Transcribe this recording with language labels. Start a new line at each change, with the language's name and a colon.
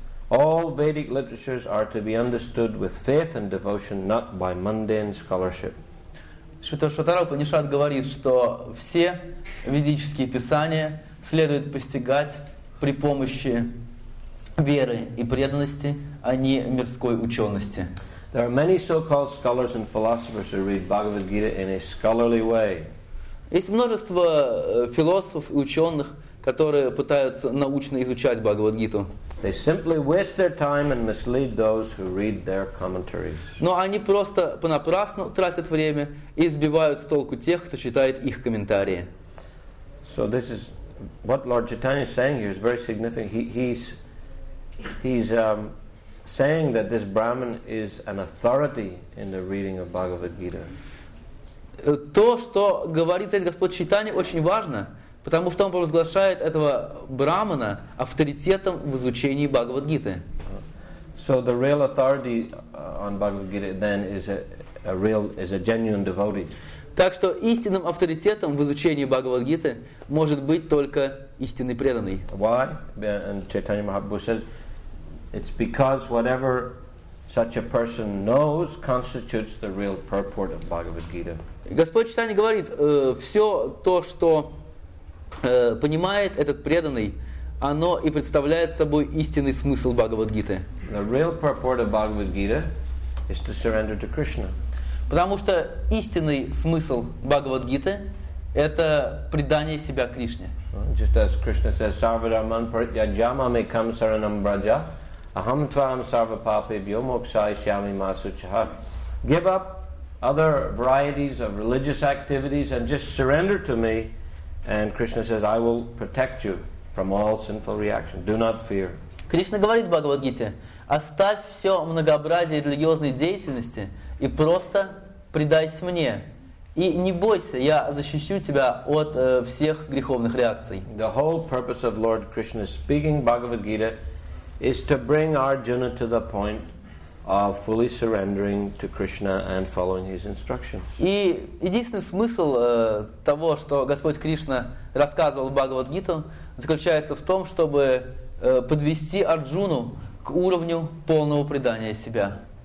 English: All Vedic literatures are to be understood with faith and devotion, not by mundane scholarship.
Russian: Svetasvatara Upanishad говорит, что все ведические писания следует постигать при помощи веры и преданности, а не мирской учености.
English: There are many so-called scholars and philosophers who read Bhagavad Gita in a scholarly way.
Russian: Есть множество философов и ученых, которые пытаются научно изучать Бхагавад Гиту.
English: They simply waste their time and mislead those who read their commentaries.
Russian: Но они просто понапрасну тратят время и сбивают с толку тех, кто читает их комментарии.
English: So this is what Lord Chaitanya is saying here is very significant. He's saying that this Brahman is an authority in the reading of Bhagavad Gita.
Russian: То, что говорит этот Господь Чайтанья, очень важно, потому что он провозглашает этого Брахмана авторитетом в изучении Бхагавад Гиты.
English: So the real authority on Bhagavad Gita then is a genuine devotee.
Russian: Так что истинным авторитетом в изучении Бхагавад Гиты может быть только истинный преданный.
English: Why? And Chaitanya Mahaprabhu says, it's because whatever such a person knows constitutes the real purport of Bhagavad Gita.
Russian: Господь Чайтанья говорит, все то, что понимает этот преданный, оно и представляет собой истинный смысл Бхагавад Гиты.
English: The real purport of Bhagavad Gita is to surrender to Krishna.
Russian: Потому что истинный смысл Бхагавад Гиты – это предание себя Кришне.
English: Just as Krishna says,
Sanskrit: Sarvadharman Parityajama may come saranam braja. Aham tvam sarva papebhyo mokshaya shyami ma suchaha.
English: Give up other varieties of religious activities and just surrender to me. And Krishna says, I will protect you from all sinful reactions. Do not fear.
Russian: Кришна говорит в Бхагавад-гите, оставь все многообразие религиозной деятельности и просто предайся мне. И не бойся, я защищу тебя от всех греховных реакций.
English: The whole purpose of Lord Krishna speaking Bhagavad-gita is to bring Arjuna to the point of fully surrendering to Krishna and following his instructions.
Russian: И единственный смысл того, что Господь Кришна рассказывал в Бхагавад-гиту, заключается в том, чтобы подвести Арджуну к уровню полного предания себя.